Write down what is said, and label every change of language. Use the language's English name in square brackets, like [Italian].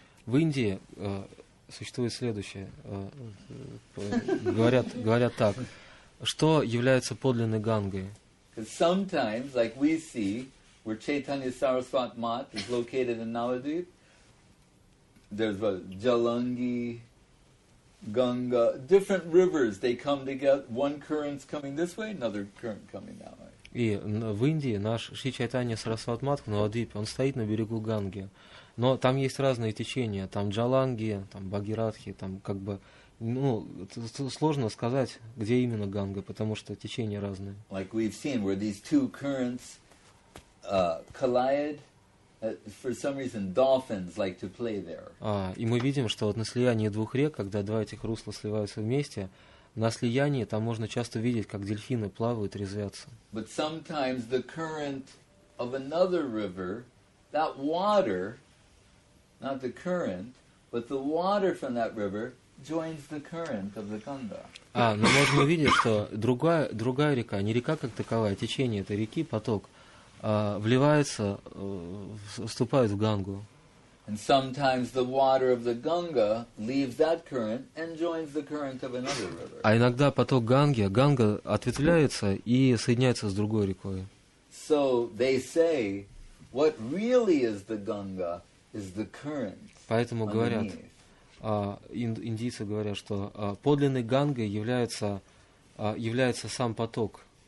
[Russian] В Индии существует следующее. Говорят так. Что является подлинной Гангой? [English] Because sometimes, like we see, where Chaitanya Saraswat Math is located in Navadvip, there's a Jalangi, Ganga, different rivers, they come together, one current's coming this way, another current coming that way. [Russian] И в Индии наш Шри Чайтанья Сарасват Матх, Навадвип, он стоит на берегу Ганги. Но там есть разные течения, там Джаланги, там Багиратхи, там как бы, ну, сложно сказать, где именно Ганга, потому что течения разные. [English] Like we've seen, where these two currents collide, for some reason, dolphins like to play there. [Russian] И мы видим, что вот на слиянии двух рек, когда два этих русла сливаются вместе, на слиянии там можно часто видеть, как дельфины плавают, резвятся. [English] But sometimes the current of another river, that water, not the current, but the water from that river joins the current of the Ganga. [Russian] Но можно увидеть, что другая река, не река как таковая, а течение этой реки, поток, вливается, вступает в Гангу. [English] And sometimes the water of the Ganga leaves that current and joins the current of another river. [Russian] А иногда поток Ганга ответвляется и соединяется с другой рекой. [English] So they say, what really is the Ganga is the current. [Russian] Поэтому говорят, индийцы говорят, что подлинной Гангой является сам поток.